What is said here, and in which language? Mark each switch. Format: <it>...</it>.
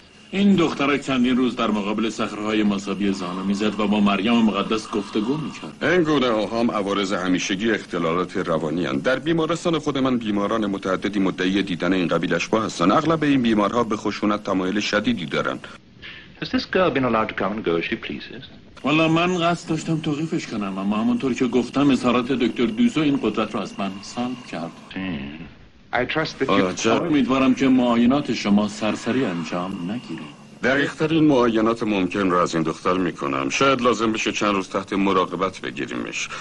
<fa>این دختره چندین روز در مقابل صخره‌های مصابی زانو میزد و با مریم مقدس گفتگو میکرد. این گونه اوهام عوارض همیشگی اختلالات روانی هستند. در بیمارستان خود من بیماران متعددی مدعی دیدن این قبیل اشباح هستند. اغلب این بیمارها به خشونت تمایل شدیدی دارند.</fa> <en>Has this girl been allowed to come and go as she pleases?</en> <fa>والا من قصد داشتم توقیفش کنم، اما همونطور که گفتم اظهارات دکتر دوزو این قدرت را از من سلب کرد. امیدوارم که معاینات شما سرسری انجام نگیره. دقیق‌ترین معاینات ممکن را از این دختر میکنم. شاید لازم بشه چند روز تحت مراقبت بگیریمش.</fa>